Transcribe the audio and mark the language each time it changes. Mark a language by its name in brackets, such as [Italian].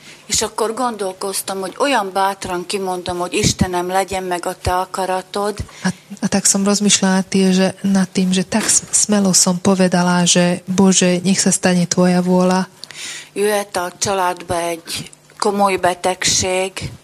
[Hungarian] És akkor gondolkoztam, hogy olyan bátran kimondom, hogy Istenem, legyen meg a te akaratod. [Slovak] A tak som rozmýšľala nad tým, že tak smelo som povedala, že Bože, nech sa stane tvoja vôľa. [Hungarian] Jöhet a családba egy komoly betegség.